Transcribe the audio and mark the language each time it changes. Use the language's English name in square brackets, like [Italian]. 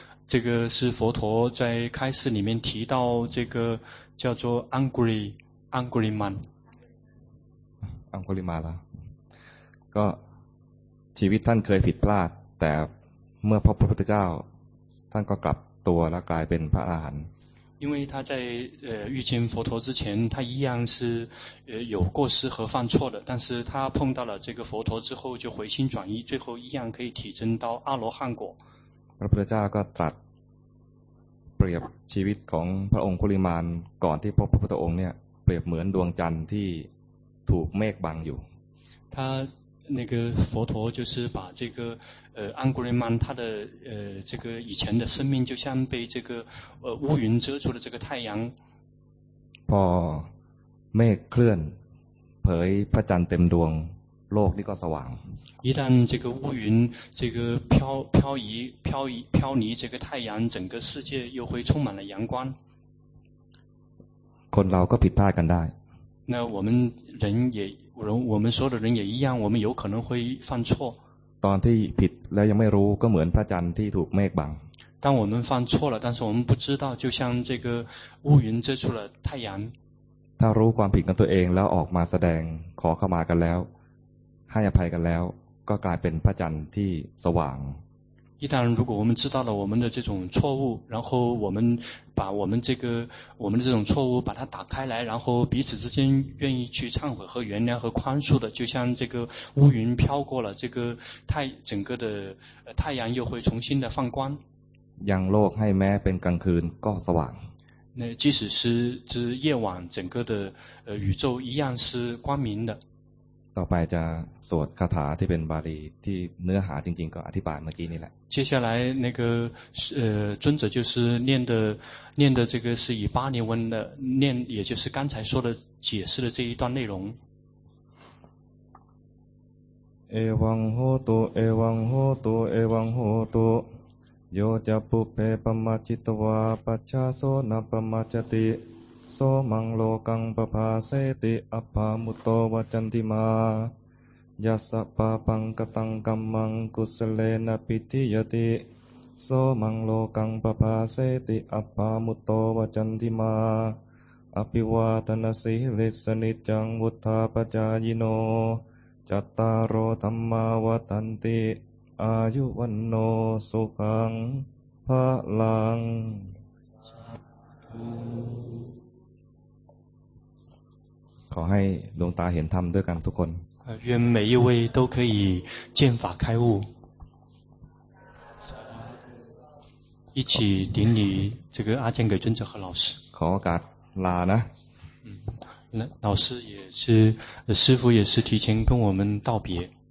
[Chinese] 这个是佛陀在开示里面提到这个叫做 Anguliman [Thai] Angulimala ก็ชีวิตท่านเคยผิดพลาดแต่เมื่อพบพระพุทธเจ้าท่านก็กลับตัวและกลายเป็นพระอรหันต์ [Chinese] 因为他在遇见佛陀之前他一样是有过失和犯错的但是他碰到了这个佛陀之后就回心转意最后一样可以体证到阿罗汉果 [Thai] พระพุทธเจ้าก็ตรัสเปรียบชีวิตของพระองค์กุลิมานก่อนที่พบพระพุทธองค์เนี่ยเปรียบเหมือนดวงจันทร์ที่ถูกเมฆบังอยู่ [Chinese] 他那个佛陀就是把这个安古瑞曼他的这个以前的生命就像被这个乌云遮住了这个太阳。 [Thai] พอเมฆเคลื่อนเผยพระจันทร์เต็มดวงโลกนี่ก็สว่าง [Chinese] 一旦这个乌云这个飘离这个太阳整个世界又会充满了阳光 [Thai] คนเราก็ผิดพลาดกันได้ [Chinese] 那我们人也我们所有的人也一样我们有可能会犯错 [Thai] ตอนที่ผิดแล้วยังไม่รู้ก็เหมือนพระจันทร์ที่ถูกเมฆบัง [Chinese] 当我们犯错了但是我们不知道就像这个乌云遮住了太阳 [Thai] ถ้ารู้ความผิดของตัวเองแล้วออกมาแสดงขอเข้ามากันแล้วให้อภัยกันแล้วก็กลายเป็นพระจันทร์ที่สว่าง [Chinese] 一旦如果我们知道了我们的这种错误然后我们把我们这个我们的这种错误把它打开来然后彼此之间愿意去忏悔和原谅和宽恕的就像这个乌云飘过了这个整个的太阳又会重新的放光 [Thai] อย่างโลกให้แม้เป็นกลางคืนก็สว่าง [Chinese] 那即使是之夜晚整个的宇宙一样是光明的 [Thai] ต่อไปจะสวดคาถาที่เป็นบาลีที่เนื้อหาจริงๆก็อธิบายเมื่อกี้นี่แหละ [Chinese] 接下来那个尊者就是念的这个是以巴利文的念也就是刚才说的解释的这一段内容 [Pali] เอวังโหตุเอวังโหตุเอวังโหตุโยจะปุเพปมัจจิตวาปัจฉาโสนปมัจจติโสมังโลกังปภาเสติอัพพามุตโตวจันติมา ยัสสะปาปังกตังกัมมังกุสเลนะปิติยติโสมังโลกังปภาเสติอัพพามุตโตวจันติมาอภิวาทนสิลิสนิจังวุทธาปจายิโนจัตตารโอธัมมาวทันติอายุวันโนสุขังภะลัง [Thai] ขอให้ดวงตาเห็นธรรมด้วยกันทุกคน [Chinese] 愿每一位都可以见法开悟一起顶礼这个阿健给尊者和老师 [Thai] ขอโอกาสลานะ [Chinese] 老师也是师父也是提前跟我们道别